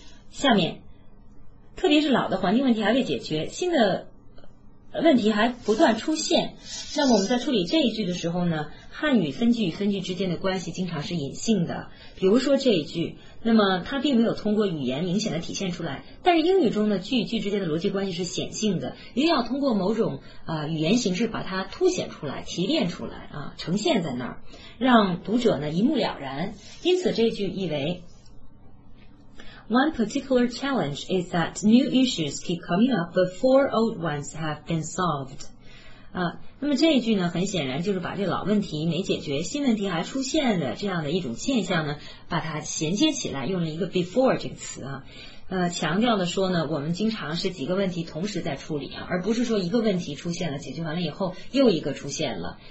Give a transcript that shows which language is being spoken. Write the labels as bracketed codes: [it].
[zh] 下面，特别是老的环境问题还未解决，新的问题还不断出现，那么我们在处理这一句的时候呢，汉语分句与分句之间的关系经常是隐性的，比如说这一句，那么它并没有通过语言明显的体现出来，但是英语中的句与句之间的逻辑关系是显性的，一定要通过某种语言形式把它凸显出来、提炼出来呈现在那儿，让读者呢一目了然。因此这一句译为 [en] One particular challenge is that new issues keep coming up before old ones have been solved。 [zh] 那么这一句呢，很显然就是把这老问题没解决，新问题还出现的这样的一种现象呢，把它衔接起来，用了一个 before 这个词强调的说呢，我们经常是几个问题同时在处理而不是说一个问题出现了，解决完了以后又一个出现了。